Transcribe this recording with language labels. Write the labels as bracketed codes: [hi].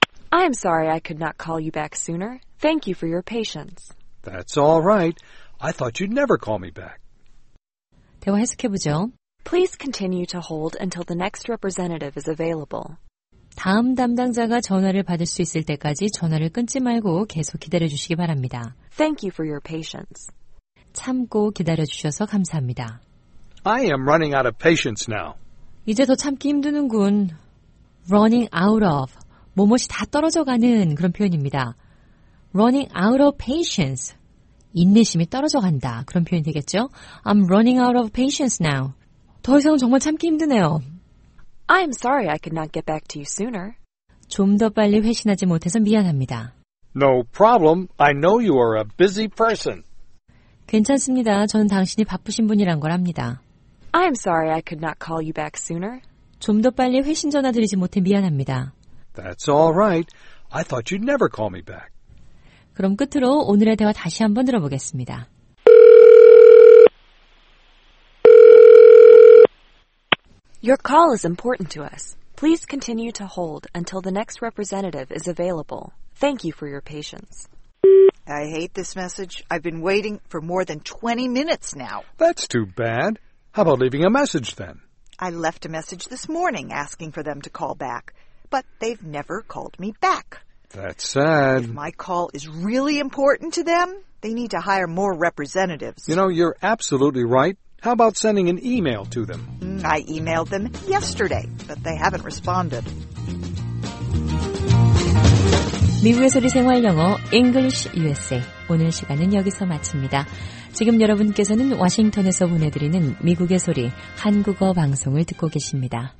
[en] I am sorry I could not call you back sooner. Thank you for your patience. That's all right. I thought you'd never call me back. [ko] 대화 해석해보죠. [en] Please continue to hold until the next representative is available. [ko] 다음 담당자가 전화를 받을 수 있을 때까지 전화를 끊지 말고 계속 기다려주시기 바랍니다. [en] Thank you for your patience. [ko] 참고 기다려주셔서 감사합니다. [en] I am running out of patience now. [ko] 이제 더 참기 힘드는군. [en] Running out of. [ko] 뭐뭇이 다 떨어져가는 그런 표현입니다. [en] Running out of patience. [ko] 인내심이 떨어져 간다. 그런 표현이 되겠죠? [en] I'm running out of patience now. [ko] 더 이상 정말 참기 힘드네요. [en] I'm sorry I could not get back to you sooner. [ko] 좀 더 빨리 회신하지 못해서 미안합니다. [en] No problem. I know you are a busy person. [ko] 괜찮습니다. 저는 당신이 바쁘신 분이란 걸 압니다. [en] I'm sorry I could not call you back sooner. [ko] 좀 더 빨리 회신 전화 드리지 못해 미안합니다. [en] That's all right. I thought you'd never call me back. [ko] 그럼 끝으로 오늘의 대화 다시 한번 들어보겠습니다. [en] Your call is important to us. Please continue to hold until the next representative is available. Thank you for your patience. I hate this message. I've been waiting for more than 20 minutes now. That's too bad. How about leaving a message then? I left a message this morning asking for them to call back, but they've never called me back. That's sad. If my call is really important to them, they need to hire more representatives. You know, you're absolutely right. How about sending an email to them? I emailed them yesterday, but they haven't responded. [ko] 미국의 소리 생활 영어, English USA. 오늘 시간은 여기서 마칩니다. 지금 여러분께서는 워싱턴에서 보내드리는 미국의 소리 한국어 방송을 듣고 계십니다.